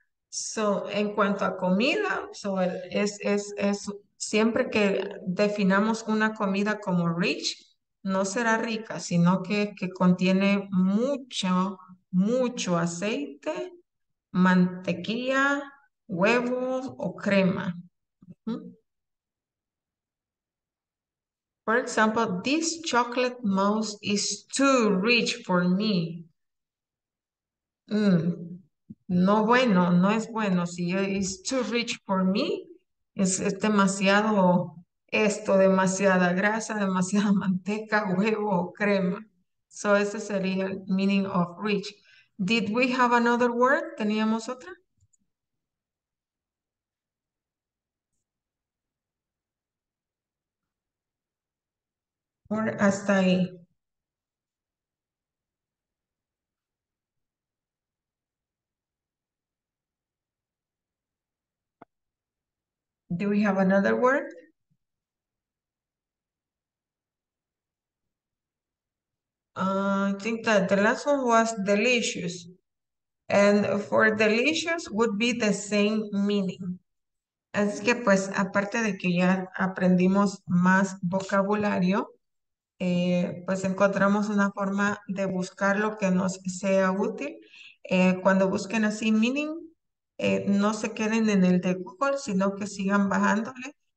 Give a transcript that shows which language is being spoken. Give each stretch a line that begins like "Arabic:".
Spanish: So, en cuanto a comida, so es siempre que definamos una comida como rich, no será rica, sino que contiene mucho aceite, mantequilla, huevos o crema.
English: For example, this chocolate mousse is too rich for me.
Spanish: No bueno, no es bueno. Si
English: it's too rich for me,
Spanish: es demasiado esto, demasiada grasa, demasiada manteca, huevo o crema.
English: So
Spanish: ese sería el
English: meaning of reach. Did we have another word?
Spanish: ¿Teníamos otra? Hasta ahí.
English: Do we have another word? I think that the last one was delicious. And for delicious would be the same meaning.
Spanish: Así que pues, aparte de que ya aprendimos más vocabulario, pues encontramos una forma de buscar lo que nos sea útil. Cuando busquen así meaning, no se queden en el de Google, sino que sigan bajándole.